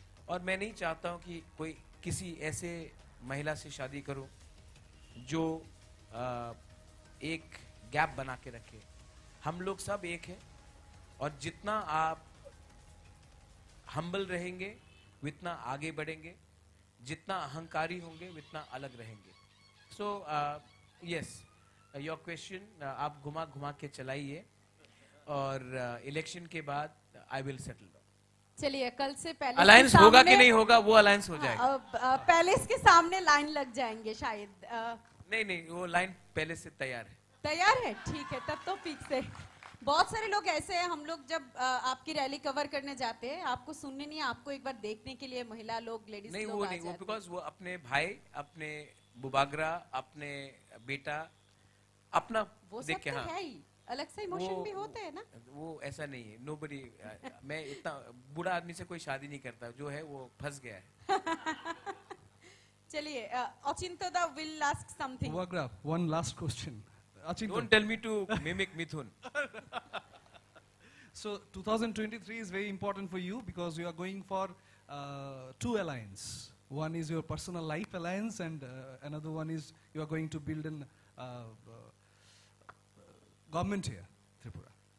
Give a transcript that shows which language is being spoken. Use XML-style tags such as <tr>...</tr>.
<hi>Aur main nahi chahta hu ki koi kisi aise mahila se shaadi karu जो एक gap बना के रखे. हम लोग सब एक हैं, और जितना आप हम्बल रहेंगे उतना आगे बढ़ेंगे, जितना अहंकारी होंगे उतना अलग रहेंगे.</hi> <en>so yes,</en> <hi>योर क्वेश्चन आप घुमा घुमा के चलाइए और इलेक्शन के बाद</hi> <en>I will settle.</en> <hi>चलिए कल से पहले अलायंस होगा कि नहीं होगा वो अलायंस हो जाएगा। पैलेस के सामने लाइन लग जाएंगे शायद। नहीं नहीं वो लाइन पहले से तैयार है। तैयार है ठीक है तब तो पीक से। बहुत सारे लोग ऐसे हैं हम लोग जब आपकी रैली कवर करने जाते हैं आपको सुनने नहीं आपको एक बार देखने के लिए महिला लोग लेडीज नहीं लोग वो नहीं वो बिकॉज वो अपने भाई अपने बुबागरा अपने बेटा अपना वो सब तो है ही अलग से इमोशन भी होते हैं ना। वो ऐसा नहीं है नोबडी मैं इतना बूढ़ा आदमी से कोई शादी नहीं करता जो है वो फंस गया है। चलिए अचिंतदा will ask something Bubagra one last question.</hi> <en>Don't tell me to mimic Mithun. So 2023 is very important for you because you are going for two alliance. One is your personal life alliance and another one is you are going to build an government here, Tripura.</en>